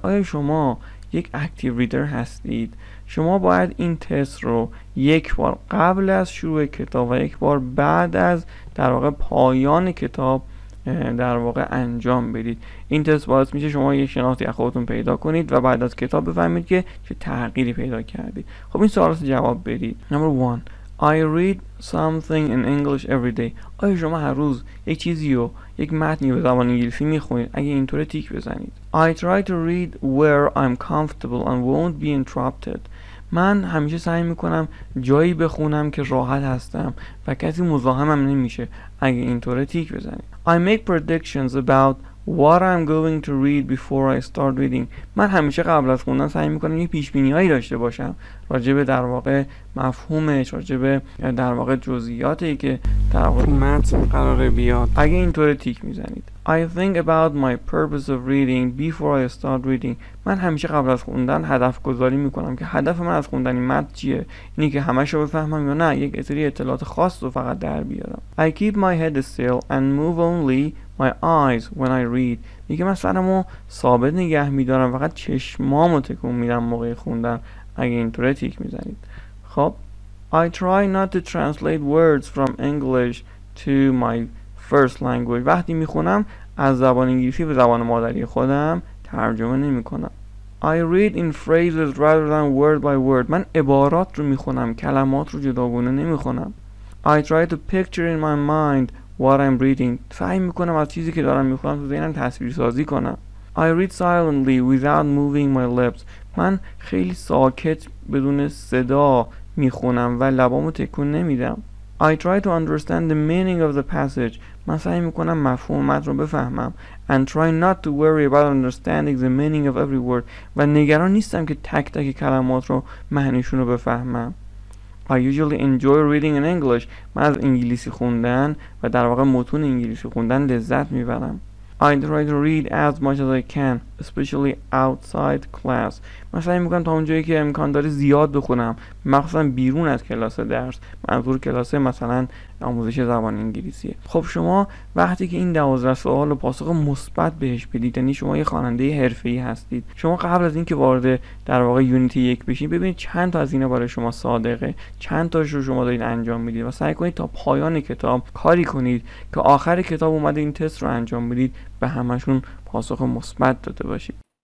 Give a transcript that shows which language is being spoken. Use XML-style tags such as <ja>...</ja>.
<fa>آیا شما یک اکتیو ریدر هستید؟ شما باید این تست رو یک بار قبل از شروع کتاب و یک بار بعد از در واقع پایان کتاب در واقع انجام بدید. این تست باعث میشه شما یه شناختی از خودتون پیدا کنید و بعد از کتاب بفهمید که چه تغییری پیدا کردید. خب این سوالات جواب بدید.</fa> <en>Number 1. I read something in English every day.</en> <fa>آیا شما هر روز یک چیزی رو، یک متنی به زبان انگلیسی میخونید؟ اگه اینطوره تیک بزنید.</fa> <en>I try to read where I'm comfortable and won't be interrupted.</en> <fa>من همیشه سعی میکنم جایی بخونم که راحت هستم و کسی مزاحمم نمیشه. اگه اینطوره تیک بزنید.</fa> <en>I make predictions about what I'm going to read before I start reading.</en> <fa>من همیشه قبل از خوندن سعی میکنم یه پیشبینیایی داشته باشم راجع به در واقع مفهومش، راجع به در واقع جزئیاتی که در واقع متن قراره بیاد. اگه اینطوره تیک میزنید.</fa> <en>I think about my purpose of reading before I start reading.</en> <fa>من همیشه قبل از خوندن هدف گذاری میکنم که هدف من از خوندن این متن چیه، اینی که همش رو بفهمم یا نه یک سری اطلاعات خاص رو فقط در بیارم.</fa> <en>I keep my head still and move only my eyes when I read.</en> <fa>میگه من سرمو ثابت نگه میدارم، فقط چشمامو تکون میدم موقع خوندن. اگه اینطوره تیک میزنید. خب</fa> <en>I try not to translate words from English to my first language.</en> <fa>وقتی میخونم از زبان انگلیسی به زبان مادری خودم ترجمه نمیکنم.</fa> <en>I read in phrases rather than word by word.</en> <fa>من عبارات رو میخونم، کلمات رو جداگونه نمیخونم.</fa> <en>I try to picture in my mind what I'm reading.</en> <fa>سعی میکنم از چیزی که دارم میخونم تو ذهنم تصویرسازی کنم.</fa> <en>I read silently without moving my lips.</en> <fa>من خیلی ساکت بدون صدا میخونم و لبامو تکون نمیدم.</fa> <en>I try to understand the meaning of the passage.</en> <fa>من سعی میکنم مفهوم متن رو بفهمم.</fa> <en>And try not to worry about understanding the meaning of every word.</en> <fa>و نگران نیستم که تک تک کلمات رو معنیشون رو بفهمم.</fa> <en>I usually enjoy reading in English.</en> <fa>من از انگلیسی خوندن و در واقع متون انگلیسی خوندن لذت میبرم.</fa> <en>I try to read as much as I can, especially outside class.</en> <fa>من سعی میکنم تا اونجایی که امکان داره زیاد بخونم، مخصوصا بیرون از کلاس درس، منظور کلاس مثلا آموزش زبان انگلیسیه. خب شما وقتی که این 12 سوال رو پاسخ مثبت بهش بدید، یعنی شما یه خواننده حرفه‌ای هستید. شما قبل از اینکه وارد در واقع یونیتی 1 بشین، ببینید چند تا از اینا برای شما صادقه، چند تاشو شما دارین انجام میدید و سعی کنید تا پایان کتاب کاری کنید که آخر کتاب اومده این تست رو انجام بدید به همشون پاسخ مثبت داده باشید.</fa>